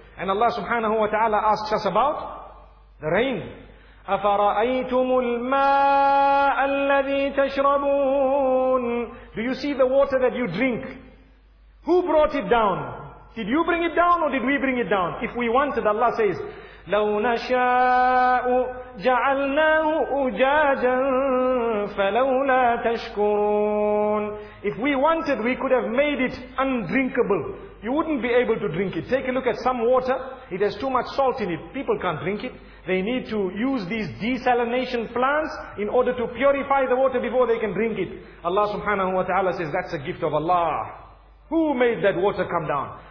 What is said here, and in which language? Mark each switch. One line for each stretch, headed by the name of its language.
English: And Allah subhanahu wa ta'ala asks us about the rain.
Arabic: أَفَرَأَيْتُمُ الْمَاءَ الَّذِي تَشْرَبُونَ.
English: Do you see the water that you drink? Who brought it down? Did you bring it down or did we bring it down? If we wanted, Allah says,
Arabic: لَوْ نَشَاءُ جَعَلْنَاهُ أُجَاجًا فَلَوْلَا تَشْكُرُونَ.
English: If we wanted, we could have made it undrinkable. You wouldn't be able to drink it. Take a look at some water. It has too much salt in it. People can't drink it. They need to use these desalination plants in order to purify the water before they can drink it. Allah subhanahu wa ta'ala says, that's a gift of Allah. Who made that water come down?